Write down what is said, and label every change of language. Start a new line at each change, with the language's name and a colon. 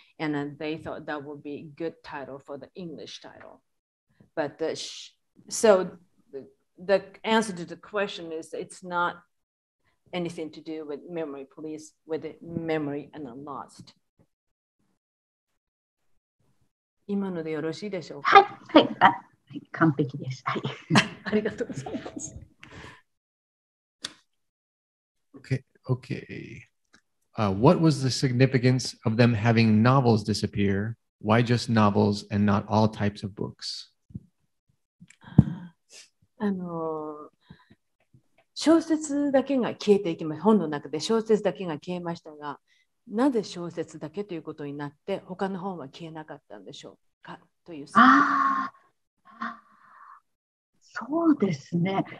English: And then they thought that would be a good title for the English title. But the so the answer to the question is it's not anything to do with memory police, with the memory and the lost.
Japanese: 今のでよろしいでしょうか。はい、はい、完璧です。はい、ありがとうございます。
English: Okay, okay. What was the significance of them having novels disappear? Why just novels and not all types of books?
Japanese: 小説だけが消えていきました。本の中で小説だけが消えましたが、なぜ小説だけということになって他の本は消えなかったんでしょうかという。ああ、そうですね。